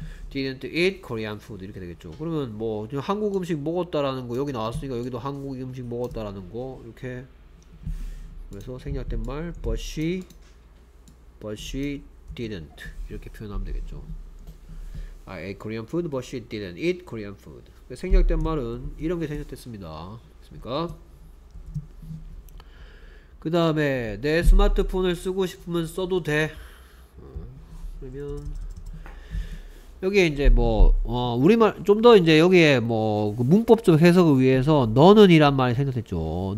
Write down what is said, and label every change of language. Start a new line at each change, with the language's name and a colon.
English: didn't eat Korean food
Korean: 이렇게 되겠죠. 그러면 뭐 지금 한국 음식 먹었다라는 거 여기 나왔으니까 여기도 한국 음식 먹었다라는 거 이렇게 그래서 생략된 말
English: but she didn't
Korean: 이렇게 표현하면 되겠죠.
English: I ate Korean food but she didn't eat Korean food.
Korean: 생략된 말은 이런 게 생략됐습니다. 됐습니까? 그 다음에 내 스마트폰을 쓰고 싶으면 써도 돼. 그러면 여기에 이제 뭐 우리말 좀 더 이제 여기에 뭐 그 문법적 해석을 위해서 너는 이란 말이 생각됐죠.